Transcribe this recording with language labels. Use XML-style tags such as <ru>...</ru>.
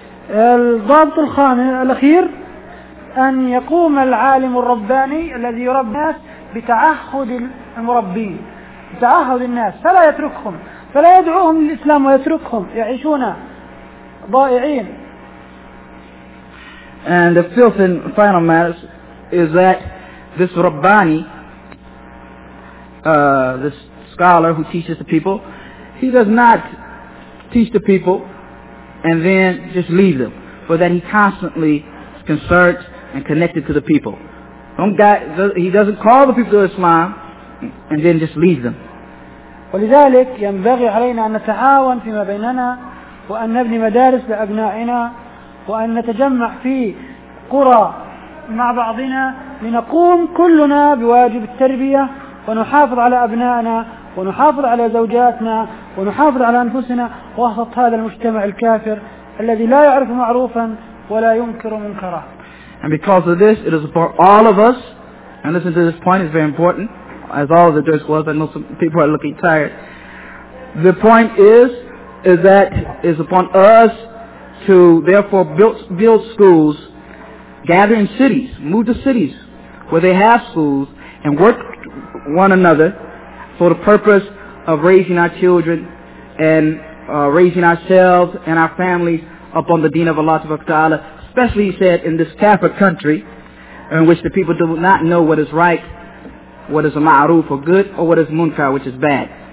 <ar>الضابط الخامس الأخير أن يقوم العالم الرباني الذي يربي الناس بتعهد المربين بتعهد الناس فلا يتركهم فلا يدعوهم للإسلام ويتركهم يعيشون ضائعين.</ar> <en>And the fifth and final matter is that this Rabbani, this scholar who teaches the people, he does not teach the people and then just leave them, but that he constantly is concerned and connected to the people. He doesn't call the people to Islam and then just leave them.</en> <ar>ولذلك ينبغي علينا أن نتعاون فيما بيننا وأن نبني مدارس لأبنائنا وأن نتجمع في قرى مع بعضنا لنقوم كلنا بواجب التربية ونحافظ على أبنائنا ونحافظ على زوجاتنا ونحافظ على أنفسنا وسط هذا المجتمع الكافر الذي لا يعرف معروفا ولا ينكر منكرا.</ar> <en>And because of this, it is for all of us, and listen to this point, it's very important, as all of the jokes was, I know some people are looking tired. The point is that it's upon us to therefore build schools, gather in cities, move to cities where they have schools, and work one another for the purpose of raising our children and raising ourselves and our families upon the deen of Allah subhanahu wa ta'ala, especially, he said, in this Kafir country in which the people do not know what is right, what is a ma'aruf or good, or what is munkar, which is bad.</en>